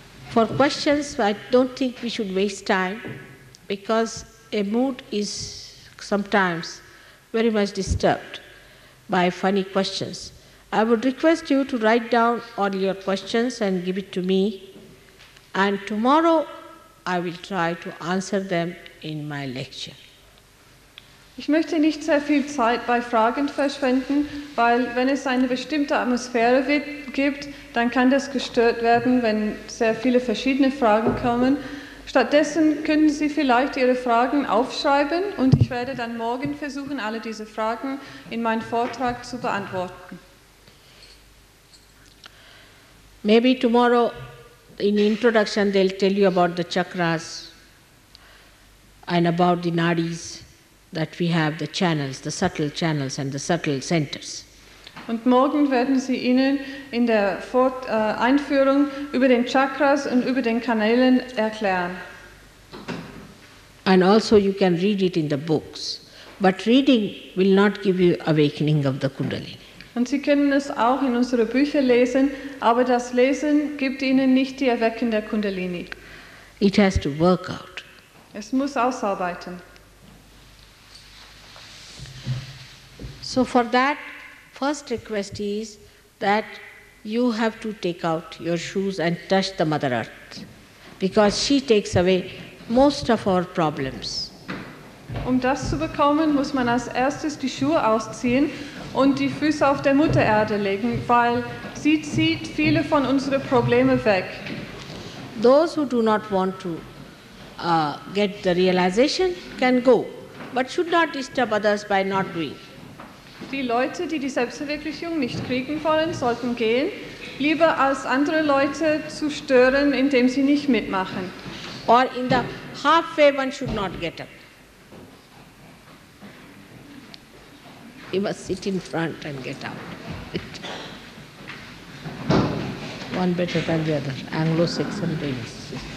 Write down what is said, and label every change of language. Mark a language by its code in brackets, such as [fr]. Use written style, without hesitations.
[en] For questions, I don't think we should waste time, because a mood is sometimes very much disturbed by funny questions. I would request you to write down all your questions and give it to me, and tomorrow I will try to answer them in my lecture. [de] Ich möchte nicht sehr viel Zeit bei Fragen verschwenden, weil wenn es eine bestimmte Atmosphäre gibt, dann kann das gestört werden, wenn sehr viele verschiedene Fragen kommen. Stattdessen können Sie vielleicht Ihre Fragen aufschreiben und ich werde dann morgen versuchen, alle diese Fragen in meinem Vortrag zu beantworten. [en] Maybe tomorrow in the introduction they'll tell you about the chakras and about the nadis. That we have the channels, the subtle channels and the subtle centers. [de] Und morgen werden Sie Ihnen in der Einführung über den Chakras und über den Kanälen erklären. [en] And also you can read it in the books, but reading will not give you awakening of the Kundalini. [de] Und Sie können es auch in unsere Bücher lesen, aber das Lesen gibt Ihnen nicht die Erweckung der Kundalini. [en] It has to work out. [de] Es muss ausarbeiten. [en] So for that, first request is that you have to take out your shoes and touch the Mother Earth, because she takes away most of our problems. [de] Um das zu bekommen, muss man als erstes die Schuhe ausziehen und die Füße auf der Mutter Erde legen, weil sie zieht viele von unseren Problemen weg. [en] Those who do not want to get the realization can go, but should not disturb others by not doing. [de] Die Leute, die die Selbstverwirklichung nicht kriegen wollen, sollten gehen, lieber als andere Leute zu stören, indem sie nicht mitmachen. [en] Or in the halfway one should not get up. He must sit in front and get out. One better than the other, Anglo-Saxon dreams.